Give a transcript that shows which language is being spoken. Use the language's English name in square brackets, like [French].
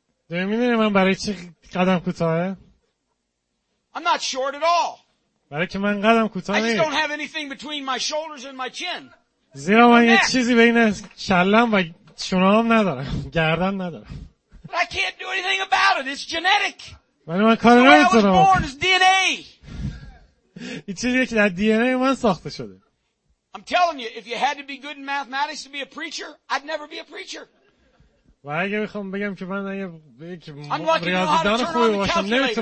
[Persian] می‌دونی من برای چی قدم کوتاهه؟ [English] I'm not short at all. [Persian] برای که من قدم کوتاه نیست. [English] I just don't have anything between my shoulders and my chin. [Persian] زیرا من یه چیزی بین کلم و شونام ندارم گردن ندارم [English] I can't do anything about it. It's genetic. [Persian] ولی من کار نمی‌کنم. چیزی که در DNA من ساخته شده. [English] I'm telling you, if you had to be good in mathematics to be a preacher, I'd never be a preacher. Why are you coming to me and saying that you're going to be a preacher? I'm lucky enough to turn on the calculator.